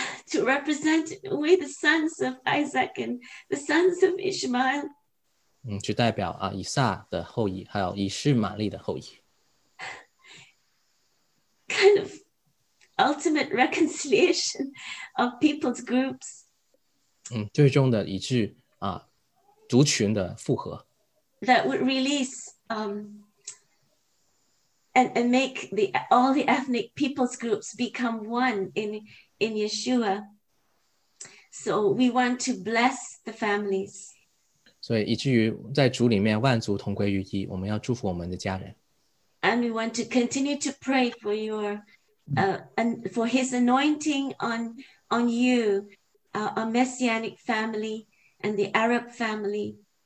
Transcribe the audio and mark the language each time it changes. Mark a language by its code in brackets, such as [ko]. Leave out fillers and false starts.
[en] To represent we the sons of Isaac and the sons of Ishmael. [zh] 去代表以撒的后裔，还有以实玛利的后裔。 [en] Kind of ultimate reconciliation of people's groups. [zh] 最终的一致，族群的复合。 [en] That would release and make all the ethnic people's groups become one in Yeshua. So we want to bless the families. [zh] 所以以至于在主里面万族同归于一，我们要祝福我们的家人。 [en] And we want to continue to pray for your and for his anointing on you, our messianic family and the Arab family.